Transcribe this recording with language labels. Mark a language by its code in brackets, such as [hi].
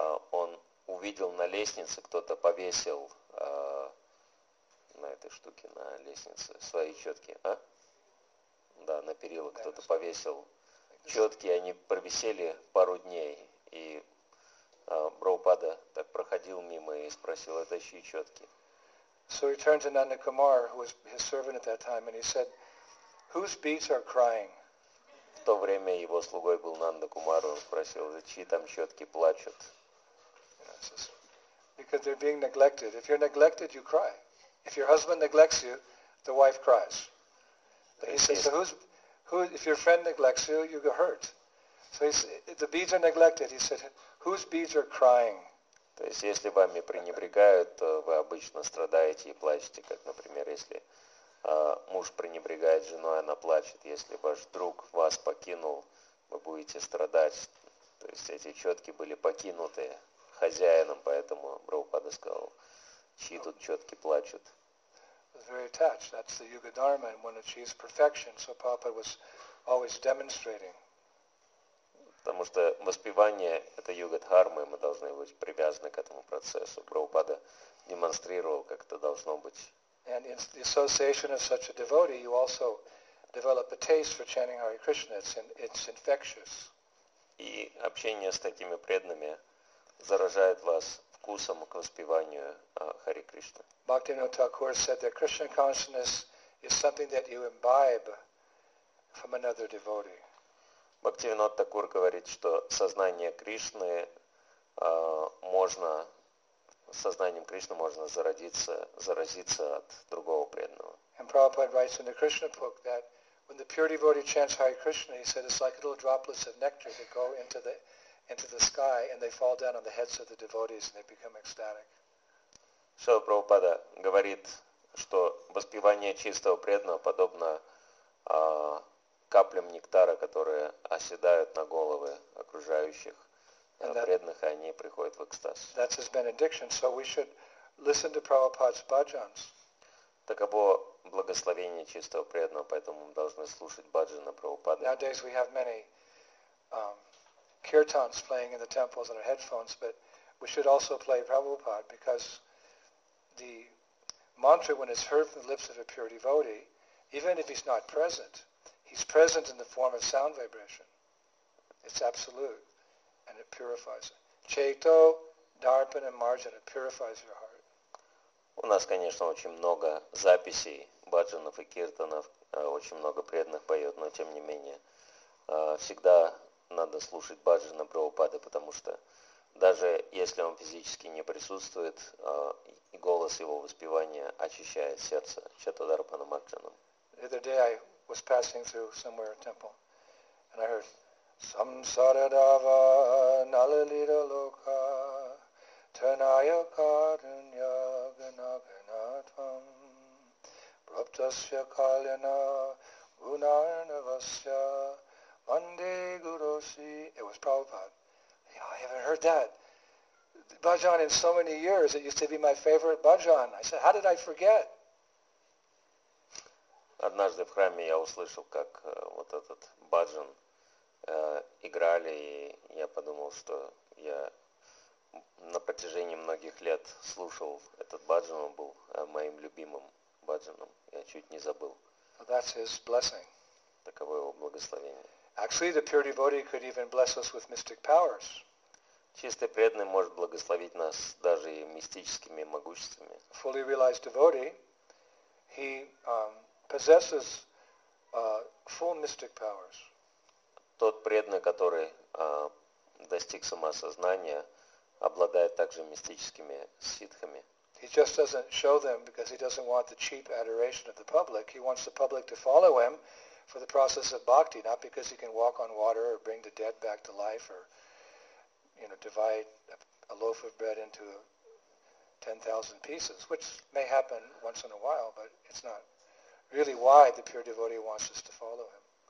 [ru] Он увидел на лестнице, кто-то повесил на этой штуке, на лестнице, свои четки, а? Да, на перила кто-то повесил четки, они провисели пару дней, и Прабхупада так проходил мимо и спросил, это чьи четки? [en] So he turned to Nanda Kumar, who was his servant at that time, and he said, whose beads are crying? [ru] В то время его слугой был Нанда Кумар, он спросил, за чьи там четки плачут? [en] Because they're being neglected. If you're neglected, you cry. If your husband neglects you, the wife cries. But he says, if your friend neglects you, you get hurt. So the beads are neglected. He said, whose beads are crying? [ru] То есть, если вами пренебрегают, то вы обычно страдаете и плачете, как, например, если муж пренебрегает женой, она плачет. Если ваш друг вас покинул, вы будете страдать. То есть, эти четки были покинуты хозяином, поэтому Прабхупада сказал, чьи тут четки плачут. [en] Very attached. That's the yuga dharma, and one achieves perfection. So Prabhupada was always demonstrating. [ru] Потому что воспевание это юга дхармы, мы должны быть привязаны к этому процессу. Прабхупада демонстрировал, как это должно быть. [en] And in the association of such a devotee, you also develop a taste for chanting Hare Krishna. It's infectious. [ru] И общение с такими преданными заражает вас вкусом к воспеванию Хари Кришны. [en] Бхактивинода Тхакур said that Krishna consciousness is something that you imbibe from another devotee. [ru] Бхактивинода Тхакур говорит, что сознание Кришны можно сознанием Кришны можно заразиться от другого преданного. [en] And Prabhupada writes in the Krishna book that when the pure devotee chants Hare Krishna, he said it's like little droplets of nectar that go into the sky and they fall down on the heads of the devotees and they become ecstatic. [ru] Шрила Прабхупада говорит, что воспевание чистого преданного подобно каплям нектара, которые оседают на головы окружающих преданных, и они приходят в экстаз. [en] That's his benediction, so we should listen to Prabhupada's bhajans. [ru] Таково благословение чистого преданного, поэтому мы должны слушать бхаджаны Прабхупады. [en] Nowadays we have many kirtans playing in the temples on our headphones, but we should also play Prabhupada, because the mantra, when it's heard from the lips of a pure devotee, even if he's not present, he's present in the form of sound vibration. It's absolute, and it purifies it. Chaito, darpan, and margin, it purifies your heart. [ru] У нас, конечно, очень много записей бхаджанов и киртанов, очень много преданных поет, но тем не менее, всегда надо слушать бхаджана Прабхупады, потому что даже если он физически не присутствует, голос его воспевания очищает сердце. [sa] Чато дарпана марджанам. [en] The other day I was passing through somewhere a temple and I heard [sa] Samsara dava nalalira loka tanaya karunya ganaganatvam praptasya kalyana gunarnavasya mande gurusi. [en] It was Prabhupada. I haven't heard that bhajan in so many years. It used to be my favorite bhajan. I said, how did I forget? [ru] Однажды в храме я услышал, как вот этот бхаджан играли, и я подумал, что я на протяжении многих лет слушал этот бхаджан, он был моим любимым бхаджаном. Я чуть не забыл. [en] Well, that's his blessing. [ru] Таково его благословение. [en] Actually, the pure devotee could even bless us with mystic powers. [ru] Чистый преданный может благословить нас даже и мистическими могуществами. [en] Fully realized devotee, he possesses full mystic powers. [ru] Тот преданный, который достиг самосознания, обладает также мистическими сиддхами. [en] He just doesn't show them because he doesn't want the cheap adoration of the public. He wants the public to follow him for the process of bhakti, not because he can walk on water or bring the dead back to life or, you know, divide a loaf of bread into 10,000 pieces, which may happen once in a while, but it's not really why the pure devotee wants us to follow him.